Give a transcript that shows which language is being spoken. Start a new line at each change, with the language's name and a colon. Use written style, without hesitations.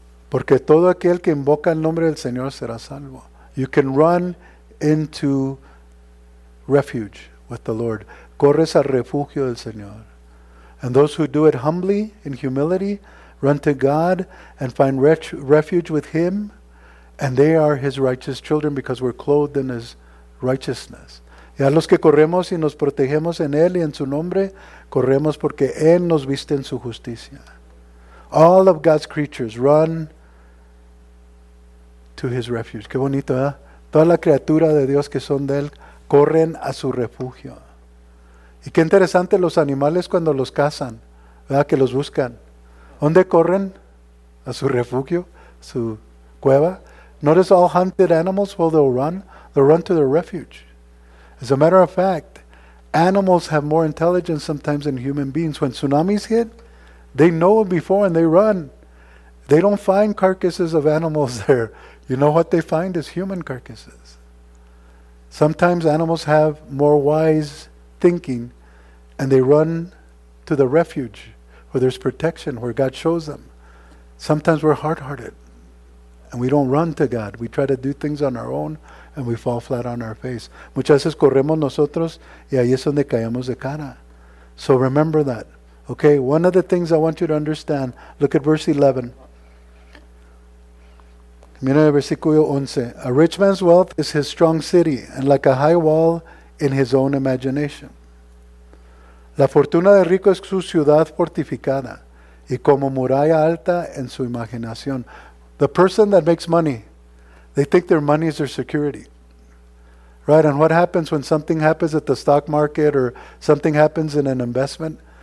Spanish: Porque todo aquel que invoca el nombre del Señor será salvo.
English: You can run into refuge with the Lord.
Spanish: Corres al refugio del Señor.
English: And those who do it humbly, in humility, run to God and find refuge with him, And they are his righteous children because we're clothed in his righteousness.
Spanish: Y a los que corremos y nos protegemos en él y en su nombre, corremos porque él nos viste en su justicia.
English: All of God's creatures run to his refuge.
Spanish: Qué bonito, ¿eh? Toda la criatura de Dios que son de él corren a su refugio. Y qué interesante, los animales cuando los cazan, ¿verdad? Que los buscan. ¿Dónde corren? A su refugio, su cueva.
English: Notice all hunted animals, well, they'll run to their refuge. As a matter of fact, animals have more intelligence sometimes than human beings. When tsunamis hit, they know it before and they run. They don't find carcasses of animals there. You know what they find is human carcasses. Sometimes animals have more wise thinking and they run to the refuge where there's protection, where God shows them. Sometimes we're hard-hearted and we don't run to God. We try to do things on our own and we fall flat on our face.
Spanish: Muchas veces corremos nosotros y ahí es donde caemos de cara.
English: So remember that. Okay, one of the things I want you to understand, look at verse 11.
Spanish: Mira el versículo 11.
English: A rich man's wealth is his strong city and like a high wall in his own imagination.
Spanish: La fortuna del rico es su ciudad fortificada y como muralla alta en su imaginación.
English: The person that makes money, they think their money is their security. Right? And what happens when something happens at the stock market or something happens in an investment?